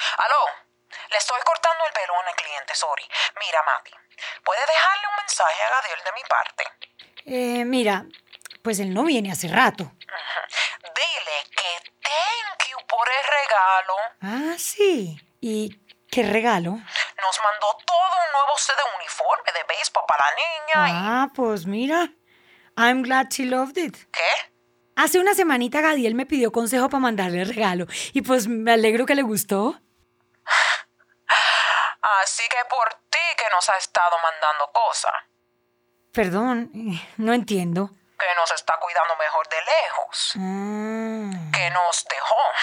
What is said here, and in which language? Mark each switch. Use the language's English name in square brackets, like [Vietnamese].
[Spanish] Aló, le estoy cortando el pelo al cliente, sorry. Mira, Matty, ¿puede dejarle un mensaje a Gadiel de mi parte? Mira, pues él no viene hace rato. Dile que [English] thank you [Spanish] por el regalo. Ah, sí. ¿Y qué regalo? Nos mandó todo un nuevo set de uniforme de béisbol para la niña y... Ah, pues mira, [English] I'm glad she loved it. [Spanish] ¿Qué? Hace una semanita Gadiel me pidió consejo para mandarle el regalo. Y pues me alegro que le gustó. Así que por ti que nos ha estado mandando cosas. Perdón, no entiendo. Que nos está cuidando mejor de lejos. Que nos dejó.